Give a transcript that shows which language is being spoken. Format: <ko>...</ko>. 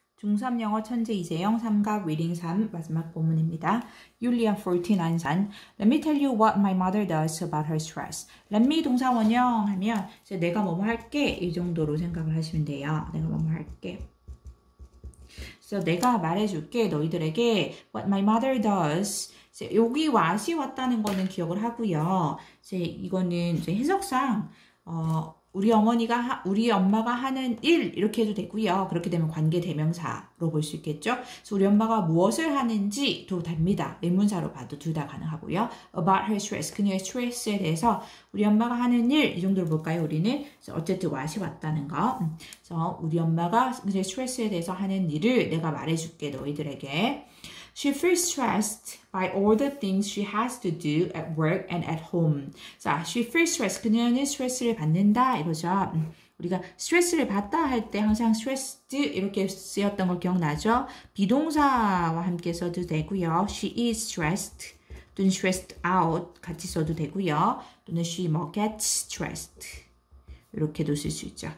<ko>중삼 영어 천재 이재영 삼각 리딩 3 마지막 본문입니다. 율리아 14 안산.</ko> <en>Let me tell you what my mother does about her stress. Let me</en> <ko>동사 원형 하면 이제 내가 뭐뭐 할게 이 정도로 생각을 하시면 돼요. 내가 뭐뭐 할게.</ko> <en>So</en> <ko>내가 말해줄게 너희들에게</ko> <en>what my mother does.</en> <ko>이제 여기 what이 왔다는 거는 기억을 하고요. 이제 이거는 이제 해석상 우리 엄마가 하는 일 이렇게 해도 되고요. 그렇게 되면 관계 대명사로 볼 수 있겠죠. 그래서 우리 엄마가 무엇을 하는지도 됩니다. 의문사로 봐도 둘다 가능하고요.</ko> <en>About her stress,</en> <ko>그녀의 스트레스에 대해서 우리 엄마가 하는 일이 정도로 볼까요? 우리는 어쨌든 what이 왔다는 거. 그래서 우리 엄마가 그녀의 스트레스에 대해서 하는 일을 내가 말해줄게 너희들에게.</ko> <en>She feels stressed by all the things she has to do at work and at home.</en> <ko>자,</ko> <en>she feels stressed.</en> <ko>그녀는 스트레스를 받는다. 이거죠. 우리가 스트레스를 받다 할때 항상 stressed 이렇게 쓰였던 거 기억나죠? 비동사와 함께 써도 되고요.</ko> <en>She is stressed 또는 stressed out</en> <ko>같이 써도 되고요. 또는</ko> <en>she</en> <ko>뭐</ko> <en>gets stressed</en> <ko>이렇게도 쓸수 있죠.</ko>